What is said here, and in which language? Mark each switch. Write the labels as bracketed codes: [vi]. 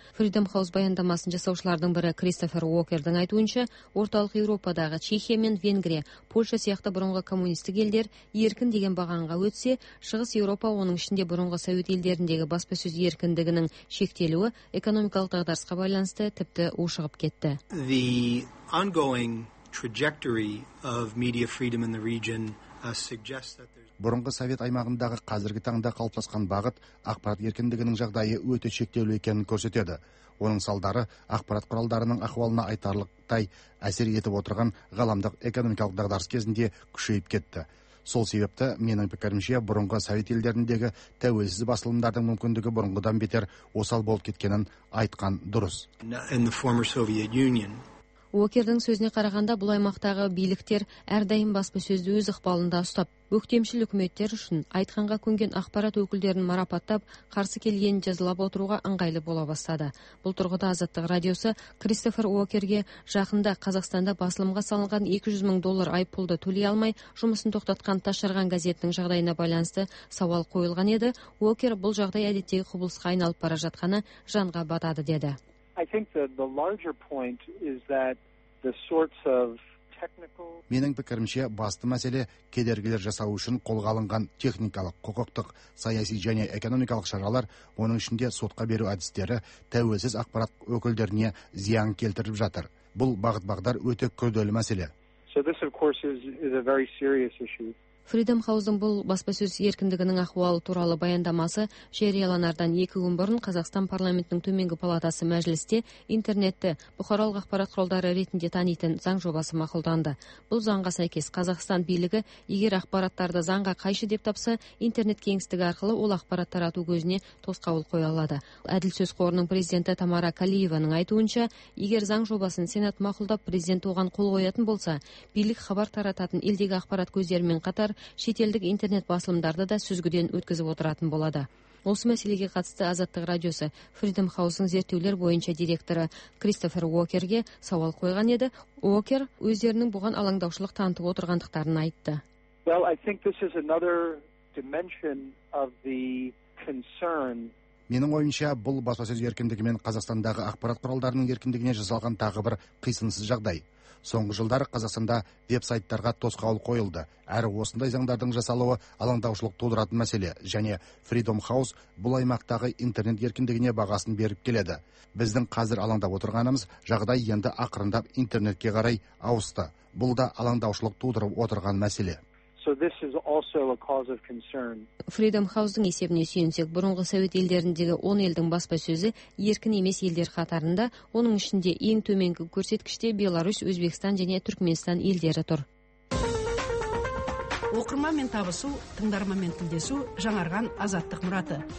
[kk] Freedom House баяндамасын жасаушылардың бірі Кристофер Уокердің айтуынша, орталық Еуропадағы Чехия мен Венгрия, Польша сияқты бұрынғы коммунистік елдер еркін деген бағанға өтсе, шығыс Еуропа оның ішінде бұрынғы совет елдеріндегі баспасөз еркіндігінің шектелуі экономикалық дағдарысқа байланысты тіпті ушығып кетті. [en] The ongoing trajectory of media freedom in the region suggests that [kk] бұрынғы совет аймағындағы қазіргі таңда қалыптасқан бағыт ақпарат еркіндігінің жағдайы өте шектеулі екенін көрсетеді. Оның салдары ақпарат құралдарының ахуалына айтарлықтай әсер етіп отырған ғаламдық экономикалық дағдарыс кезінде күшейіп кетті. Сол себепті менің пікірімше, бұрынғы совет елдеріндегі тәуелсіз басылымдардың мүмкіндігі бұрынғыдан бетер осал болып кеткенін айтқан дұрыс. Уокердің сөзіне қарағанда, бұл аймақтағы биліктер әрдайым баспасөзді өз ықпалында ұстап, өктемшіл үкіметтер үшін айтқанға көнген ақпарат өкілдерін марапаттап, қарсы келгенін жазалап отыруға ыңғайлы бола бастады. Бұл тұрғыда Азаттық радиосы Кристофер Уокерге жақында Қазақстанда басылымға салынған $200,000 айыппұлды төлей алмай, жұмысын тоқтатқан Ташырған газетінің жағдайына байланысты сауал қойылған еді. Уокер бұл жағдай әдеттегі құбылысқа айналып бара жатқаны жанға батады деді. [en] I think the larger point is that the sorts of technical [kk] Менің пікірімше, басты мәселе кедергілер жасау үшін қолға алынған техникалық, құқықтық, саяси және экономикалық шаралар, оның ішінде сотқа беру әдістері тәуелсіз ақпарат өкілдеріне зиян келтіріп жатыр. Бұл бағыт-бағдар өте күрделі мәселе. [en] So this of course is a very serious issue. [kk] Freedom House-ның бұл баспасөз еркіндігінің ахуалы туралы баяндамасы жарияланардан 2 күн бұрын Қазақстан парламентінің төменгі палатасы мәжілісте интернетті бұқаралық ақпарат құралдары ретінде танитын заң жобасы мақұлданды. Бұл заңға сәйкес Қазақстан билігі егер ақпараттарды заңға қайшы деп тапса, интернет кеңістігі арқылы ол ақпарат тарату көзіне тосқауыл қоя алады. Әділ сөз қорының президенті Тамара Калиеваның айтуынша, егер заң жобасын Сенат мақұлдап, президент оған қол қоятын болса, билік хабар тарататын елдегі ақпарат көздерімен қатар шетелдік интернет басылымдарды да сүзгіден өткізіп отыратын болады. Осы мәселеге қатысты Азаттық радиосы Freedom House-ның зерттеулер бойынша директоры Кристофер Уокерге сауал қойған еді. Уокер өздерінің бұған алаңдаушылық танытып отырғандықтарын айтты. [en] Well, I think this is another dimension of the concern. [kk] Менің ойымша, бұл баспасөз еркіндігі мен Қазақстандағы ақпарат құралдарының еркіндігіне жасалған тағы бір қисынсыз жағдай. Соңғы жылдары Қазақстанда веб-сайттарға тосқауыл қойылды. Әрі осындай заңдардың жасалуы алаңдаушылық тудыратын мәселе, және Freedom House бұл аймақтағы интернет еркіндігіне бағасын беріп келеді. Біздің қазір алаңдап отырғанымыз жағдай енді ақырындап интернетке қарай ауысты. Бұл да алаңдаушылық тудырып отырған мәселе. [en] So this is also a cause of concern. [kk] Freedom House-ның есебіне сүйенсек, бұрынғы совет елдеріндегі 10 елдің баспасөзі еркін емес елдер қатарында, оның ішінде ең төменгі көрсеткіште Беларусь, Өзбекстан және Түркменстан елдері тұр. Оқырманмен табысу, тыңдарманмен тілдесу жаңарған азаттық мұраты.